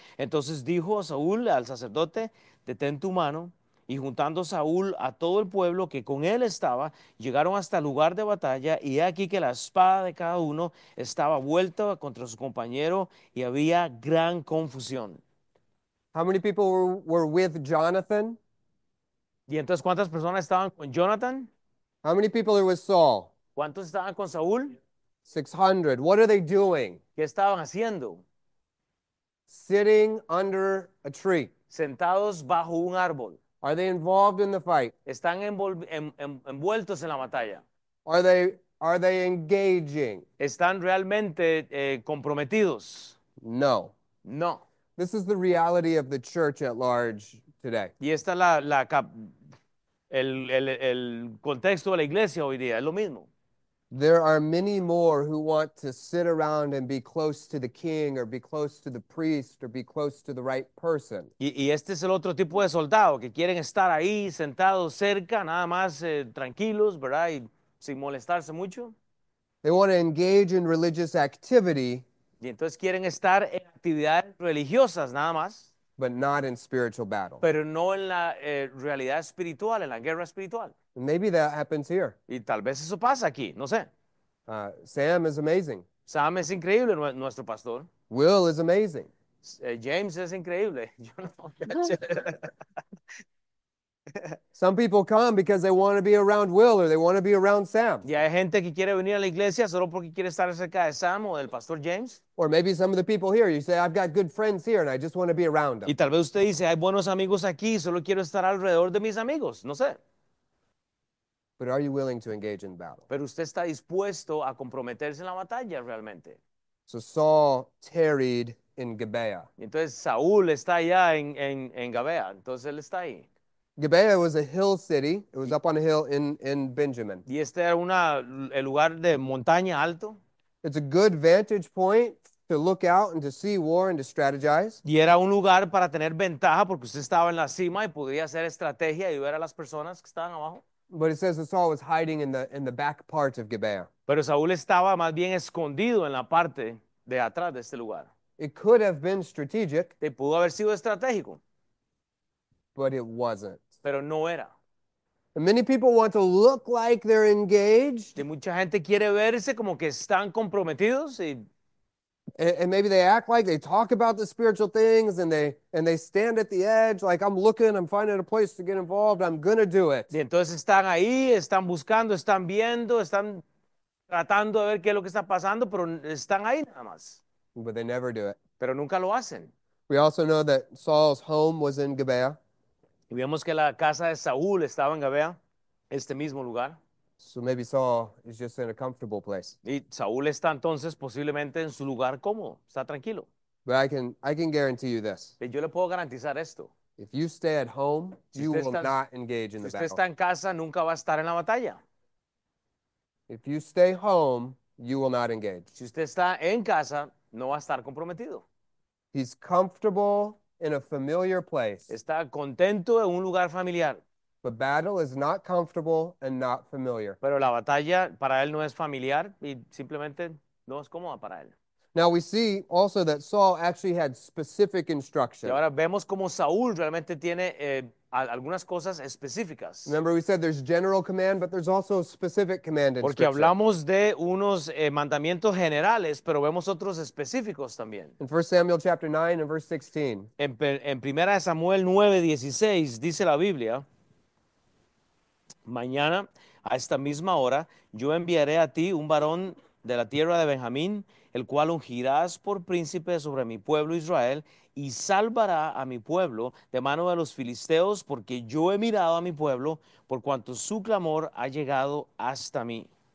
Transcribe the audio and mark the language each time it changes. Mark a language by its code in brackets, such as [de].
[es] Entonces dijo a Saúl al sacerdote, detén tu mano. Y juntando Saúl a todo el pueblo que con él estaba, llegaron hasta el lugar de batalla, y aquí que la espada de cada uno estaba vuelta contra su compañero, y había gran confusión. [en] How many people were with Jonathan? [es] ¿Y entonces cuántas personas estaban con Jonathan? [en] How many people are with Saul? [es] ¿Cuántos estaban con Saúl? [en] 600. What are they doing? [es] ¿Qué estaban haciendo? [en] Sitting under a tree. [es] Sentados bajo un árbol. [en] Are they involved in the fight? [es] Están envueltos en la batalla. [en] Are they engaging? [es] Están realmente comprometidos. [en] No. [es] No. [en] This is the reality of the church at large today. [es] Y esta es el contexto de la iglesia hoy día. Es lo mismo. There are many more who want to sit around and be close to the king or be close to the priest or be close to the right person. Y este es el otro tipo de soldado que quieren estar ahí sentados cerca, nada más tranquilos, ¿verdad? Y sin molestarse mucho. [en] They want to engage in religious activity, [es] Y entonces quieren estar en actividades religiosas, nada más, [en] but not in spiritual battle. [es] pero no en la realidad espiritual, en la guerra espiritual. [en] Maybe that happens here. [es] Y tal vez eso pasa aquí, no sé. [en] Sam is amazing. [es] Sam es increíble, nuestro pastor. [en] Will is amazing. [es] James es increíble. Yo no. [en] Some people come because they want to be around Will or they want to be around Sam. [es] Y hay gente que quiere venir a la iglesia solo porque quiere estar cerca de Sam o del pastor James. [en] Or maybe some of the people here, you say, I've got good friends here and I just want to be around [es] Y [en] them. [es] tal vez usted dice, hay buenos amigos aquí, solo quiero estar alrededor de mis amigos. No sé. [en] But are you willing to engage in battle? [es] Pero usted está dispuesto a comprometerse en la batalla realmente. [en] So Saul tarried in Gibeah. [es] Y entonces Saúl está allá en Gabea. Entonces él está ahí. [en] Gibeah was a hill city. It was up on a hill in Benjamin. [es] Y este era el lugar de montaña alto. [en] It's a good vantage point to look out and to see war and to strategize. [es] Y era un lugar para tener ventaja porque usted estaba en la cima y podía hacer estrategia y ver a las personas que estaban abajo. [en] But it says that Saul was hiding in the back part of Gibeah. [es] Pero Saúl estaba más bien escondido en la parte de atrás de este lugar. [en] It could have been strategic, [es] Te pudo haber sido estratégico, [en] but it wasn't. [es] pero no era. [en] And many people want to look like they're [es] De [en] engaged. [es] mucha gente quiere verse como que están comprometidos y [en] And maybe they act like they talk about the spiritual things and they stand at the edge, like I'm looking, I'm finding a place to get involved, I'm gonna do it. [es] entonces están ahí, están buscando, están viendo, están tratando de ver qué es lo que está pasando, pero están ahí nada más. [en] But they never do it. [es] Pero nunca lo hacen. [en] We also know that Saul's home was in Gibeah. [es] Y vemos que la casa de Saúl estaba en Gabea, este mismo lugar. [en] So maybe Saul is just in a comfortable place. [es] Y Saúl está entonces posiblemente en su lugar cómodo, está tranquilo. [en] But I can guarantee you this. [es] Y yo le puedo garantizar esto. [en] If you stay at home, [es] Si [en] you [es] usted [en] will [es] está [en] not engage in the battle. [es] en casa, nunca va a estar en la batalla. [en] If you stay home, you will not engage. [es] Si usted está en casa, no va a estar comprometido. [en] He's comfortable in a familiar place. [es] Está contento en un lugar familiar. [en] But battle is not comfortable and not familiar. [es] Pero la batalla para él no es familiar y simplemente no es cómoda para él. [en] Now we see also that Saul actually had specific [es] Y [en] instruction. [es] ahora vemos cómo Saúl realmente tiene algunas cosas específicas. [en] Remember, we said there's general command, but there's also specific command in [es] Porque [en] Scripture. [es] hablamos de unos mandamientos generales, pero vemos otros específicos también. [en] In 1 Samuel chapter 9 and verse 16. [es] En Primera de Samuel 9:16 dice la Biblia: Mañana a esta misma hora yo enviaré a ti un varón de la tierra de Benjamín, el cual ungirás por príncipe sobre mi pueblo Israel y salvará a mi pueblo de mano de los filisteos, porque yo he mirado a mi pueblo por cuanto su clamor ha llegado hasta mí.